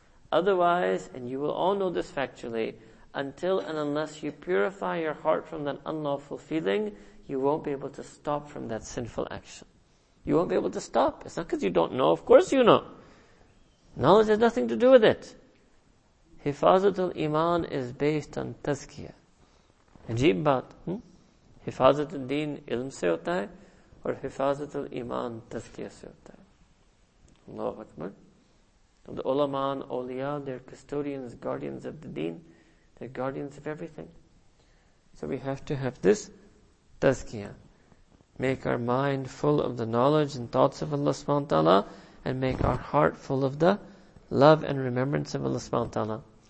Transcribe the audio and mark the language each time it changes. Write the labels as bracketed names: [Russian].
[English] Otherwise, and you will all know this factually, until and unless you purify your heart from that unlawful feeling, you won't be able to stop from that sinful action. You won't be able to stop. It's not because you don't know. Of course you know. Knowledge has nothing to do with it. Hifazat al-Iman is based on tazkiyah. [Urdu] عجیب بات. حفاظت الدین علم سے ہوتا ہے, اور حفاظت الایمان تزکیہ سے ہوتا ہے. [Arabic] Allahu Akbar. [English] The ulama and awliya, they're custodians, guardians of the deen. They're guardians of everything. So we have to have this tazkiyah. Make our mind full of the knowledge and thoughts of Allah subhanahu wa ta'ala, and make our heart full of the love and remembrance of Allah subhanahu wa ta'ala.